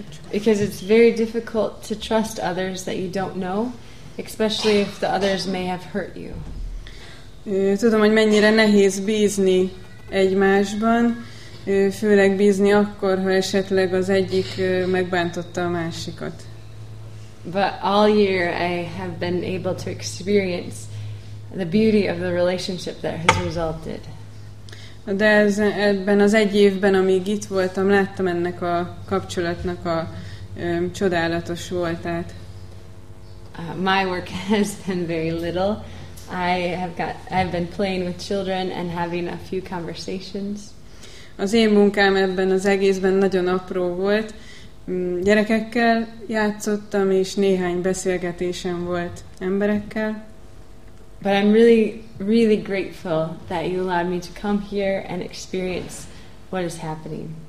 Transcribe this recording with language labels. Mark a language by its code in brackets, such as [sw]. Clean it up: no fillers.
[en] Because it's very difficult to trust others that you don't know, especially if the others may have hurt you. [hu] Tudom, hogy mennyire nehéz bízni egymásban, főleg bízni akkor, ha esetleg az egyik megbántotta a másikat. [en] But all year I have been able to experience the beauty of the relationship that has resulted. [hu] De ebben az egy évben, amíg itt voltam, láttam ennek a kapcsolatnak a csodálatos voltát. [en] My work has been very little. I've been playing with children and having a few conversations. [hu] Az én munkám ebben az egészben nagyon apró volt. Gyerekekkel játszottam, és néhány beszélgetésem volt emberekkel. [en] But I'm really, really grateful that you allowed me to come here and experience what is happening.